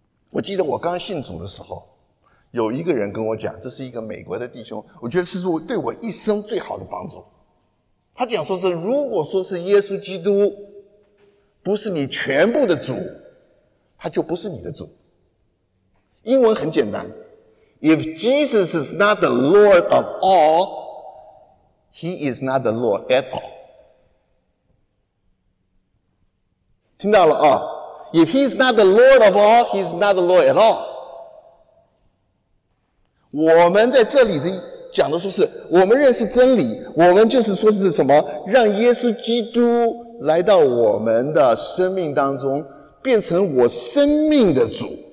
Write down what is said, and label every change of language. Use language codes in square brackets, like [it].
[zh] 我记得我刚信主的时候，有一个人跟我讲，这是一个美国的弟兄，我觉得是对我一生最好的帮助。他讲说是，如果说是耶稣基督不是你全部的主，他就不是你的主。英文很简单， [en] If Jesus is not the Lord of all,He is not the Lord at all. [zh] 听到了啊？ [en] If he's not the Lord of all, he's not the Lord at all. [zh] 我们在这里的讲的说是我们认识真理，我们就是说是什么，让耶稣基督来到我们的生命当中，变成我生命的主。